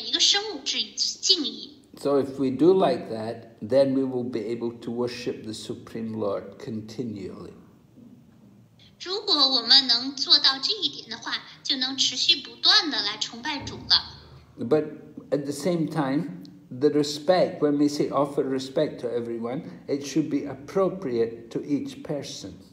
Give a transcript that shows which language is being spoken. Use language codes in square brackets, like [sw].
[zh] 一个从事于唱诵sankirtan的，或者是通过唱诵圣名来崇拜主的人，他也不应当来渴望其他人来尊重他自己。相反，他应该向其他的每一个生物致以敬意。 [en] So if we do like that, then we will be able to worship the Supreme Lord continually. [zh] 如果我们能做到这一点的话，就能持续不断的来崇拜主了。 [en] But at the same time, the respect, when we say offer respect to everyone, it should be appropriate to each person.